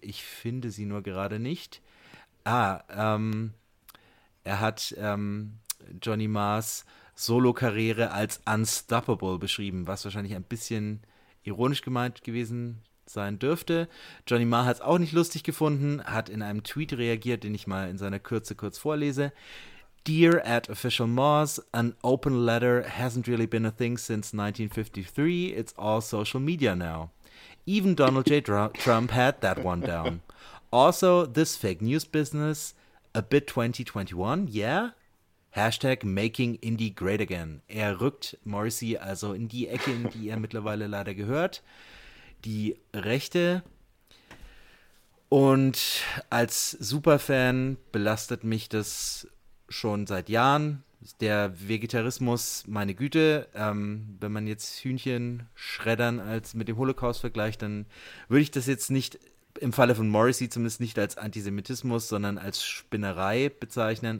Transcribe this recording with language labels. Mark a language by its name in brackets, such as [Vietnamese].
[German] Ich finde sie nur gerade nicht. Er hat Johnny Marrs Solo-Karriere als unstoppable beschrieben, was wahrscheinlich ein bisschen ironisch gemeint gewesen sein dürfte. Johnny Marr hat es auch nicht lustig gefunden, hat in einem Tweet reagiert, den ich mal in seiner Kürze kurz vorlese. [English] Dear at Official Mars, an open letter hasn't really been a thing since 1953. It's all social media now. Even Donald J. Trump had that one down. Also, this fake news business, a bit 2021, yeah? Hashtag making indie great again. [German] Er rückt Morrissey also in die Ecke, in die er mittlerweile leider gehört. Die Rechte. Und als Superfan belastet mich das schon seit Jahren. Der Vegetarismus, meine Güte, wenn man jetzt Hühnchen schreddern als mit dem Holocaust vergleicht, dann würde ich das jetzt nicht, im Falle von Morrissey zumindest, nicht als Antisemitismus, sondern als Spinnerei bezeichnen.